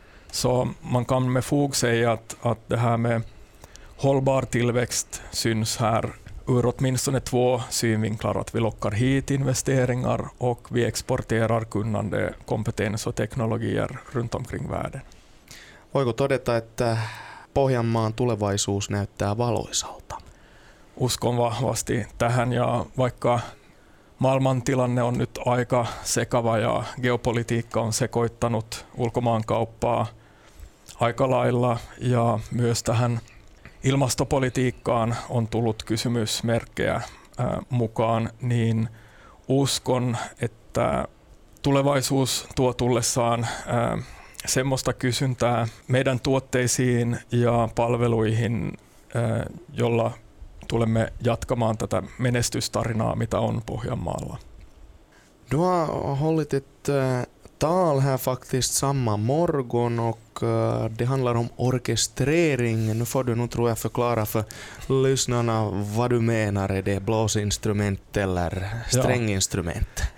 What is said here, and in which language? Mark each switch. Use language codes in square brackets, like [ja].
[sv] Så man kan med fog säga att det här med hållbar tillväxt syns här ur åtminstone 2 synvinklar, att vi lockar hit investeringar och vi exporterar kunnande, kompetens och teknologier runt omkring världen. [fi] Voiko todeta, että Pohjanmaan tulevaisuus näyttää valoisalta? Uskon vahvasti tähän ja vaikka maailmantilanne on nyt aika sekava ja geopolitiikka on sekoittanut ulkomaankauppaa aika lailla ja myös tähän ilmastopolitiikkaan on tullut kysymysmerkkejä mukaan, niin uskon, että tulevaisuus tuo tullessaan semmoista kysyntää meidän tuotteisiin ja palveluihin, jolla tulemme jatkamaan tätä menestystarinaa, mitä on Pohjanmaalla. [sv] Du har hållit ett tal här faktiskt samma morgon och det handlar om orkestrering. Nu får du nog, tror jag, förklara för lyssnarna vad du menar. Är det blåsinstrument eller stränginstrument?